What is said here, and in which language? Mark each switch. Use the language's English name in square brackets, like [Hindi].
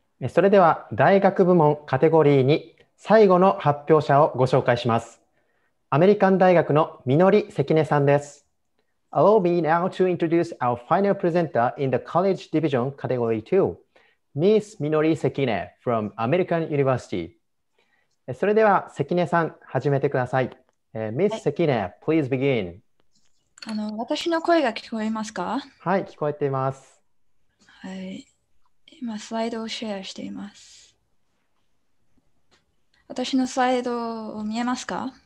[Japanese] それでは大学部門カテゴリーに最後の発表者をご紹介します。アメリカン大学のみのり関根さんです。 [English] Allow me now to introduce our final presenter in the College Division Category 2, Miss Minori Sekine from American University. [Japanese] それでは関根さん、始めてください。 [English] Miss Sekine, please begin. [Japanese] 私の声が聞こえますか？はい、聞こえています。はい。今、スライドをシェアしています。私のスライドを見えますか？